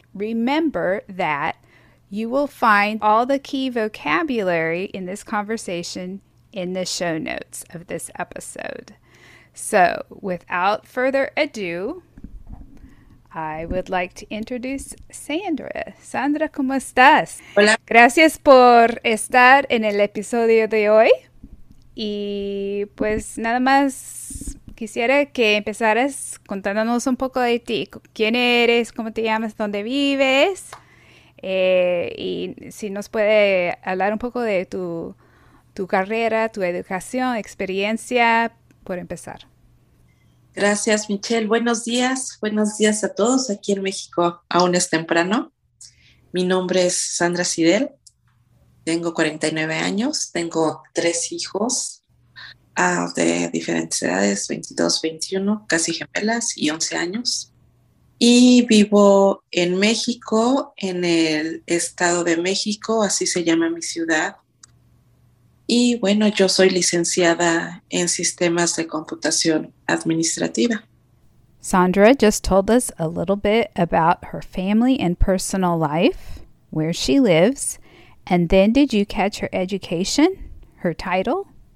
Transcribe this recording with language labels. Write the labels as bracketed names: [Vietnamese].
[English] Remember that you will find all the key vocabulary in this conversation in the show notes of this episode. So without further ado, I would like to introduce Sandra. [Spanish] Sandra, ¿cómo estás? Hola. Gracias por estar en el episodio de hoy. Y pues nada más quisiera que empezaras contándonos un poco de ti. ¿Quién eres? ¿Cómo te llamas? ¿Dónde vives? Y si nos puede hablar un poco de tu carrera, tu educación, experiencia, por empezar. Gracias, Michelle. Buenos días a todos aquí en México. Aún es temprano. Mi nombre es Sandra Cidel, tengo 49 años, tengo 3 hijos de diferentes edades, 22, 21, casi gemelas y 11 años. Y vivo en México, en el Estado de México, así se llama mi ciudad. Y bueno, yo soy licenciada en sistemas de computación administrativa. [English] Sandra just told us a little bit about her family and personal life, where she lives, and then did you catch her education, her title?